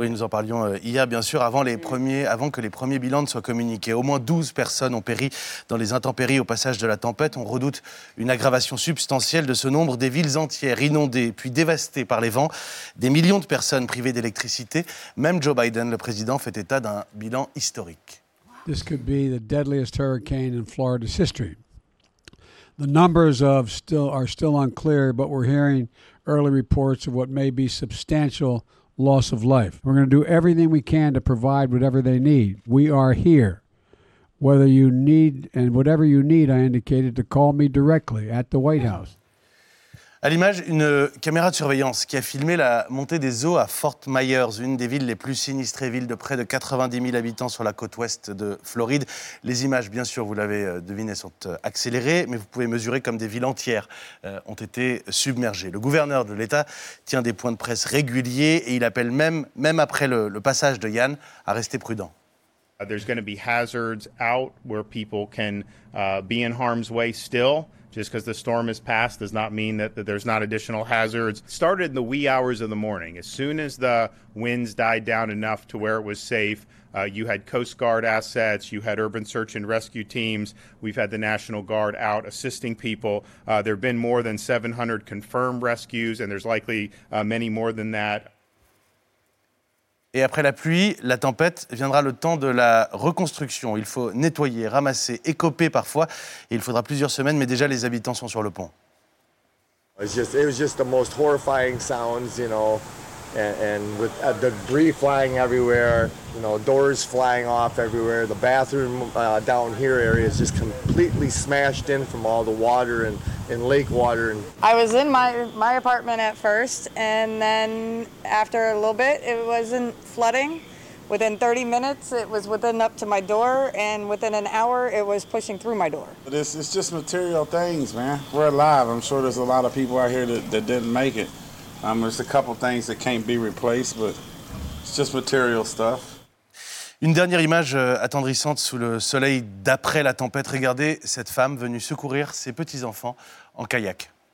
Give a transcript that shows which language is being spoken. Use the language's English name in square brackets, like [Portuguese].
[French] Oui, nous en parlions hier, bien sûr, avant que les premiers bilans ne soient communiqués. Au moins 12 personnes ont péri dans les intempéries au passage de la tempête. On redoute une aggravation substantielle de ce nombre. Des villes entières inondées, puis dévastées par les vents. Des millions de personnes privées d'électricité. Même Joe Biden, le président, fait état d'un bilan historique. [English] This could be the deadliest hurricane in Florida's history. The numbers are still unclear, but we're hearing early reports of what may be substantial loss of life. We're going to do everything we can to provide whatever they need. We are here. Whether you need and whatever you need, I indicated to call me directly at the White House. [French] À l'image, une caméra de surveillance qui a filmé la montée des eaux à Fort Myers, une des villes les plus sinistrées, ville de près de 90 000 habitants sur la côte ouest de Floride. Les images, bien sûr, vous l'avez deviné, sont accélérées, mais vous pouvez mesurer comme des villes entières ont été submergées. Le gouverneur de l'État tient des points de presse réguliers et il appelle même après le passage de Yann, à rester prudent. [English] There's going to be hazards out where people can be in harm's way still. Just because the storm has passed does not mean that there's not additional hazards. Started in the wee hours of the morning. As soon as the winds died down enough to where it was safe, you had Coast Guard assets, you had urban search and rescue teams. We've had the National Guard out assisting people. There have been more than 700 confirmed rescues, and there's likely many more than that. [French] Et après la pluie, la tempête, viendra le temps de la reconstruction. Il faut nettoyer, ramasser, écoper parfois. Et il faudra plusieurs semaines, mais déjà les habitants sont sur le pont. [English] It was just the most horrifying sounds, you know, and with the debris flying everywhere, you know, doors flying off everywhere. The bathroom down here area is just completely smashed in from all the water and lake water. I was in my apartment at first, and then after a little bit, it wasn't flooding. Within 30 minutes, it was within up to my door, and within an hour, it was pushing through my door. It's just material things, man. We're alive. I'm sure there's a lot of people out here that didn't make it. There's a couple things that can't be replaced, but it's just material stuff. [French] Une dernière image attendrissante sous le soleil d'après la tempête. Regardez cette femme venue secourir ses petits-enfants en kayak.